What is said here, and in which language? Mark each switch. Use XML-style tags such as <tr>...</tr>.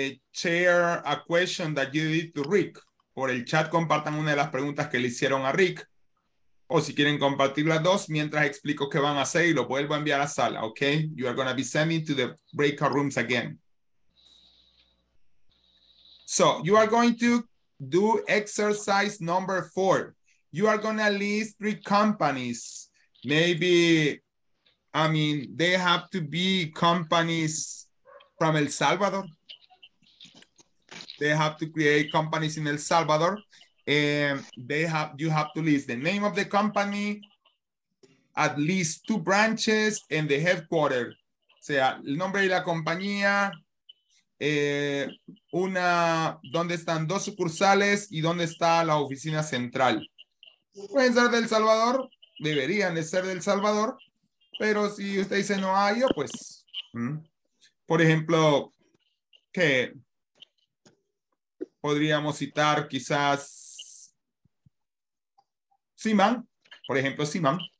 <en>Share a question that you did to Rick.</en> <es>Por el chat compartan una de las preguntas que le hicieron a Rick. O si quieren compartir las dos, mientras explico qué van a hacer y lo vuelvo a enviar a sala, ¿ok?</es> <en>You are going to be sending to the breakout rooms again. So, you are going to do exercise number 4. You are going to list 3 companies. Maybe, I mean, they have to be companies from El Salvador. They have to create companies in El Salvador. You have to list the name of the company, at least 2 branches, and the headquarter.</en> <es>O sea, el nombre de la compañía, donde están 2 sucursales y dónde está la oficina central. Pueden ser de El Salvador, deberían de ser de El Salvador, pero si usted dice no hay, pues, por ejemplo, que podríamos citar quizás Simán, por ejemplo, Simán.</es>